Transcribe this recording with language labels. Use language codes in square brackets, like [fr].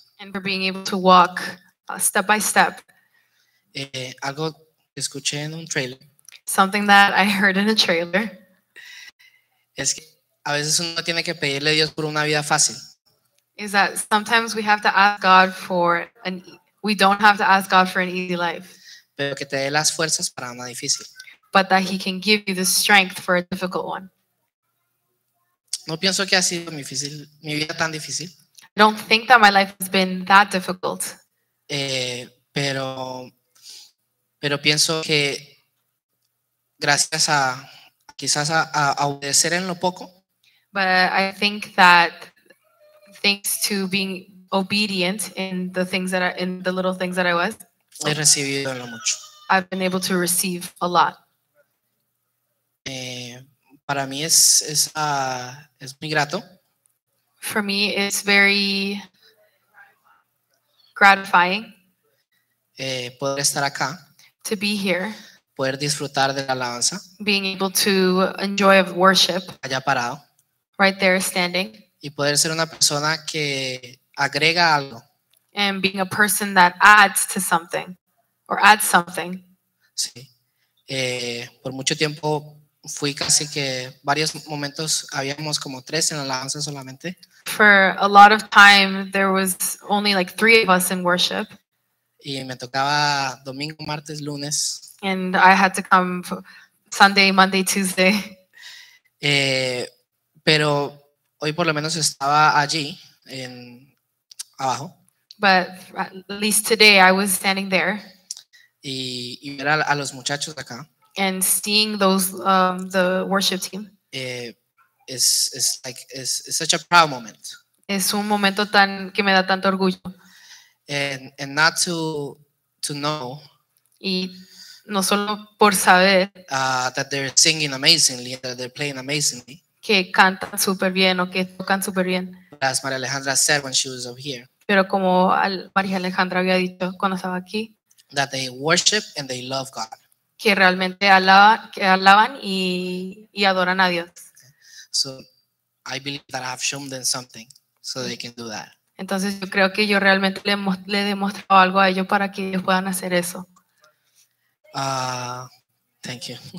[en] and for being able to walk step by step. [es] Algo que escuché en un trailer, [en] something that I heard in a trailer, [es] es que a veces uno tiene que pedirle a Dios por una vida fácil. [en] Is that sometimes we have to ask God for we don't have to ask God for an easy life. [es] Pero que te dé las fuerzas para una difícil. [en] But that he can give you the strength for a difficult one. [es] No pienso que ha sido mi vida tan difícil. [en] I don't think that my life has been that difficult. [es] Pero pienso que gracias a quizás a obedecer en lo poco. [en] But I think that thanks to being obedient in the things that in the little things that I was, [es] he recibido lo mucho. [en] I've been able to receive a lot. [es] Para mí es muy grato. [en] For me, it's very gratifying. [es] Poder estar acá. [en] To be here. [es] Poder disfrutar de la alabanza. [en] Being able to enjoy of worship. [es] Allá parado. [en] Right there standing. [es] Y poder ser una persona que agrega algo. [en] And being a person that adds to something. Or adds something. [es] Sí. Por mucho tiempo fui casi que varios momentos habíamos como 3 en la alabanza solamente. [en] For a lot of time there was only like 3 of us in worship. [es] Y me tocaba domingo, martes, lunes. [en] And I had to come Sunday, Monday, Tuesday. [es] Pero hoy por lo menos estaba allí, en abajo. [en] But at least today I was standing there. [es] Y ver a los muchachos acá. [en] And seeing those the worship team. It's such a proud moment. [es] Es un momento tan que me da tanto orgullo. [en] And not to know. [es] Y no solo por saber. [en] That they're singing amazingly, that they're playing amazingly. [es] Que cantan super bien o que tocan super bien. [en] As María Alejandra said when she was over here. [es] Pero como María Alejandra había dicho cuando estaba aquí. [en] That they worship and they love God. [es] Que realmente alaban y adoran a Dios. [en] So I believe that I've shown them something so they can do that. [es] Entonces yo creo que yo realmente le he demostrado algo a ellos para que ellos puedan hacer eso. [en] Thank you.